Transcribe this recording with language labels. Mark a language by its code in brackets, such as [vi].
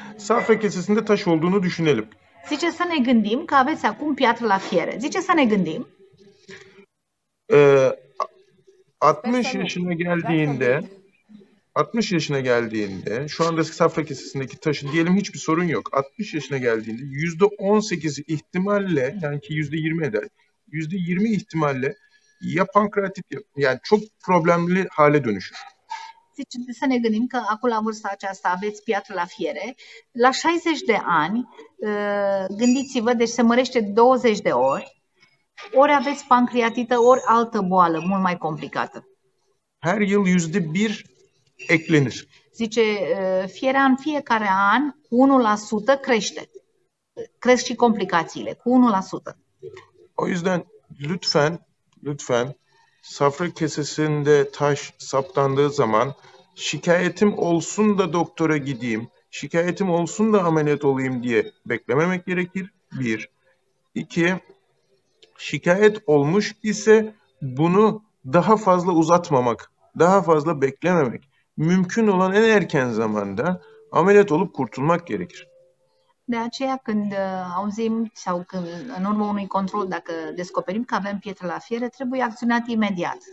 [tr] Safra kesesinde taş olduğunu düşünelim. [ro] Zice, să ne gândim că aveți acum piatră la fiere. Zice, să ne gândim. [tr] 60 yaşına geldiğinde... 60 yaşına geldiğinde, şu anda safra kesesindeki taşı diyelim hiçbir sorun yok. 60 yaşına geldiğinde %18 ihtimalle, yani ki %20 eder, %20 ihtimalle ya pankreatit, yani çok problemli hale dönüşür. [ro] Să ne gândim că acum la vârsta aceasta aveți piatră la fiere. La 60 de ani, gândiți-vă, deci se mărește 20 de ori, ori aveți pancreatită, ori altă boală mult mai complicată. [tr] Her yıl %1 eklenir. [ro] Zice, fierea în fiecare an 1% crește. Cresc și complicațiile cu 1%. [tr] O yüzden lütfen safra kesesinde taş saptandığı zaman şikayetim olsun da doktora gideyim, şikayetim olsun da ameliyat olayım diye beklememek gerekir. 1. 2. Şikayet olmuş ise bunu daha fazla uzatmamak, daha fazla beklememek. Mümkün olan en erken zamanda ameliyat olup kurtulmak gerekir. [ro] De aceea când auzim sau când în urma unui control, dacă descoperim că avem pietre la fiere, trebuie acționat imediat.